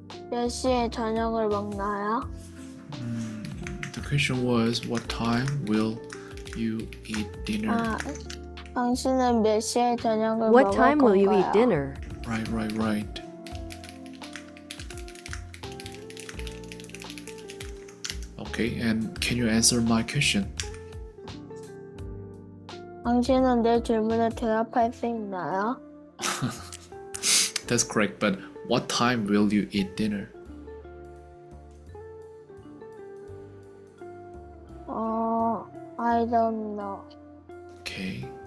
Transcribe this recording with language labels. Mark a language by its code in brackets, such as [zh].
[ko] 당신은 몇 시에 저녁을 먹나요? [en] The question was, what time will you eat dinner? [ko] 당신은 몇 시에 저녁을 먹을 건가요? [en] What time will you eat dinner? Right. Okay, and can you answer my question? [ko] 당신은 내 질문에 대답할 수 있나요? [en] That's correct, but what time will you eat dinner? 어, I don't know. Okay.